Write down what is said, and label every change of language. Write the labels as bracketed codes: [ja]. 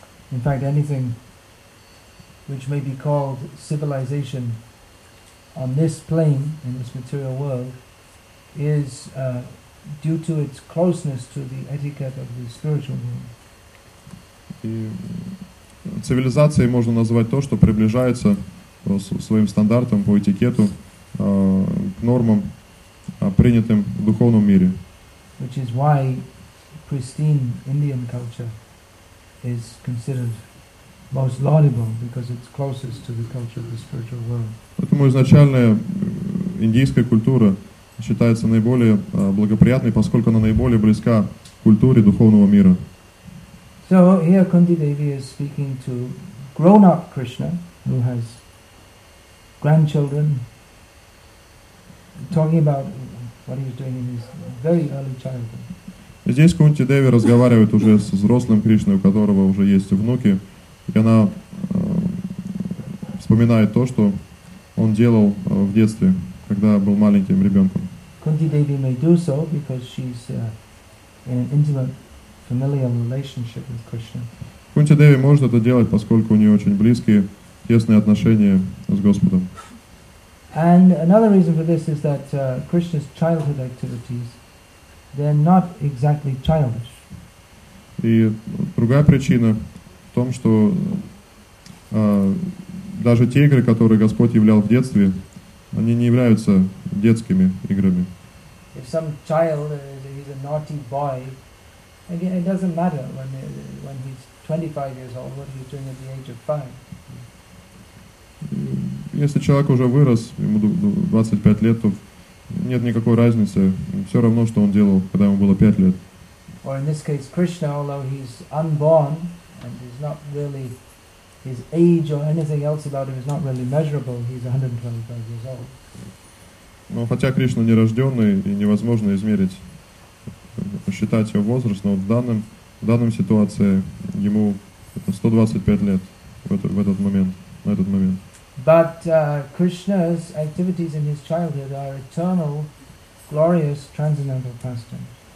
[en] In fact, anything which may be called civilization on this plane, in this material world, is due to its closeness to the etiquette of the spiritual world. [ru] Цивилизацией можно назвать то, что приближается своим стандартам по этикету к нормам, принятым в духовном мире. [en] Which is why pristine Indian culture is considered most laudable, because it's closest to the culture of the spiritual world. [ru] Поэтому изначальная индийская культура считается наиболее благоприятной, поскольку она наиболее близка к культуре духовного мира. [en] So here Kunti Devi is speaking to grown-up Krishna, who has grandchildren, talking about what he was doing in his very early childhood. [ru] Здесь Кунти Деви разговаривает уже с взрослым Кришной, у которого уже есть внуки. И она вспоминает то, что он делал в детстве, когда был маленьким ребенком. [en] Kunti Devi may do so because she's in an intimate, familial relationship with Krishna. [ru] Kunti Devi может это делать, поскольку у нее очень близкие, тесные отношения с Господом. [en] And another reason for this is that Krishna's childhood activities, they're not exactly childish. [ru] И другая причина в том, что даже те игры, которые Господь являл в детстве, они не являются детскими играми. [en] If some child is a naughty boy, again, it doesn't matter when he's 25 years old, what he's doing at the age of 5. [ru] Если человек уже вырос, ему 25 лет, то нет никакой разницы. Все равно, что он делал, когда ему было 5 лет. [en] Or in this case, Krishna, although he's unborn, and he's not really, his age or anything else about him is not really measurable, he's 125 years old. [ru] Но хотя Кришна нерожденный и невозможно измерить, считать его возраст, но в данном ситуации ему 125 лет в этот момент. [en] But Krishna's activities in his childhood are eternal, glorious, transcendental pastimes.